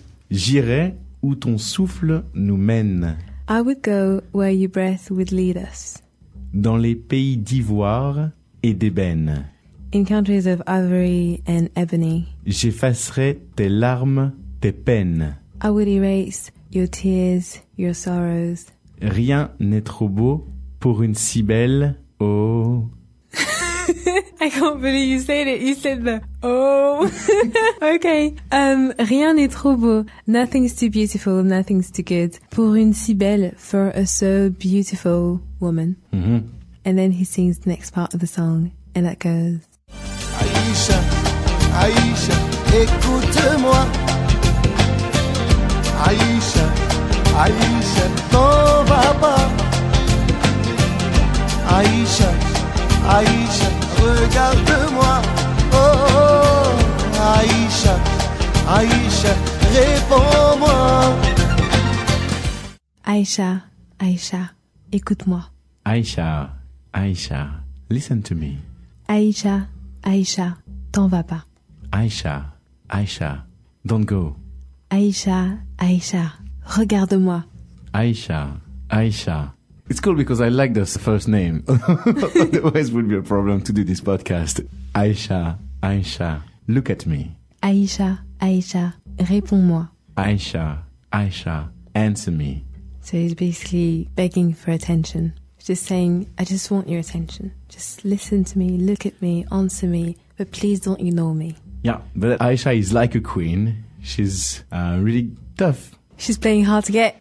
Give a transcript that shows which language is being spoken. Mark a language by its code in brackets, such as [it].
[fr] J'irai où ton souffle nous mène. [en] I would go where your breath would lead us. [fr] Dans les pays d'ivoire et d'ébène. [en] In countries of ivory and ebony. [fr] J'effacerai tes larmes, tes peines. [en] I would erase your tears, your sorrows. [fr] Rien n'est trop beau pour une si belle, oh. [en] I can't believe you said it. You said the oh. Okay. [fr] Rien n'est trop beau. [en] Nothing's too beautiful. Nothing's too good. [fr] Pour une si belle, [en] for a so beautiful woman. Mm-hmm. And then he sings the next part of the song. And that goes. [fr] Aïcha, Aïcha, écoute-moi. Aïcha, Aïcha, t'en vas pas. Aïcha, Aïcha, regarde-moi. Oh, oh, Aïcha, Aïcha, réponds-moi. Aïcha, Aïcha, écoute-moi. [en] Aïcha, Aïcha, listen to me. [fr] Aïcha, Aïcha, t'en vas pas. [en] Aïcha, Aïcha, don't go. [fr] Aïcha, Aïcha, regarde-moi. Aïcha, Aïcha. [en] It's cool because I like the first name. Otherwise, it would be a problem to do this podcast. Aïcha, Aïcha, look at me. [fr] Aïcha, Aïcha, réponds-moi. [en] Aïcha, Aïcha, answer me. So he's basically begging for attention. Just saying, I just want your attention. Just listen to me, look at me, answer me, but please don't ignore me. Yeah, but Aïcha is like a queen. She's really tough. She's playing hard to get.